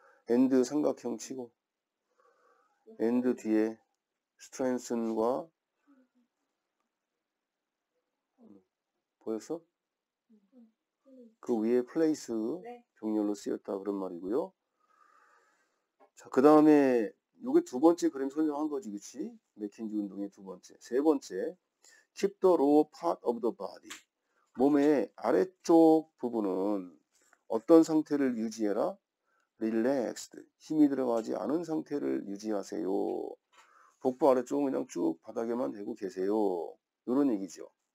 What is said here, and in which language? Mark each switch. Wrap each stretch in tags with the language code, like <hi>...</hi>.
<ko>and 삼각형 치고 and 뒤에 strengthen과 보였어? 그 위에 place 병렬로 쓰였다 그런 말이고요. 자, 그 다음에 요게 두 번째 그림 설명한 거지, 그치? 맥킨지 운동의 두 번째. 세 번째,</ko> <en>keep the lower part of the body.</en> <ko>몸의 아래쪽 부분은 어떤 상태를 유지해라?</ko> <en>relaxed.</en> <ko>힘이 들어가지 않은 상태를 유지하세요. 복부 아래쪽은 그냥 쭉 바닥에만 대고 계세요. 이런 얘기죠.</ko>